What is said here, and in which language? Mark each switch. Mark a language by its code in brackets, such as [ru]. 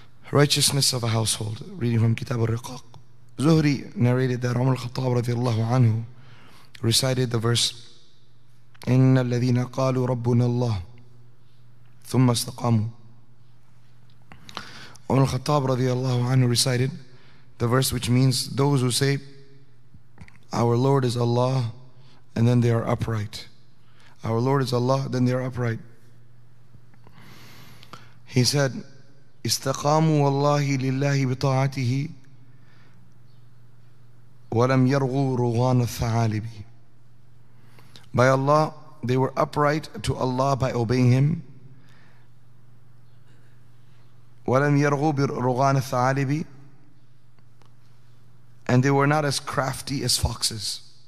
[en] Righteousness of a household. Reading from Kitab al-Riqaq. Zuhri narrated that Umar al-Khattab radiallahu anhu recited the verse, [ar] إن الذين قالوا ربنا الله ثم استقاموا. [en] Umar al-Khattab radiallahu anhu recited the verse, which means those who say our Lord is Allah and then they are upright. Our Lord is Allah, then they are upright. He said, [ar] استقاموا والله لله بطاعته ولم يرغوا رغوان الثعالب. [en] By Allah, they were upright to Allah by obeying Him. [ar] وَلَمْ يَرْغُوا بِرُغَانَ الثَّعَالِبِ. [en] And they were not as crafty as foxes.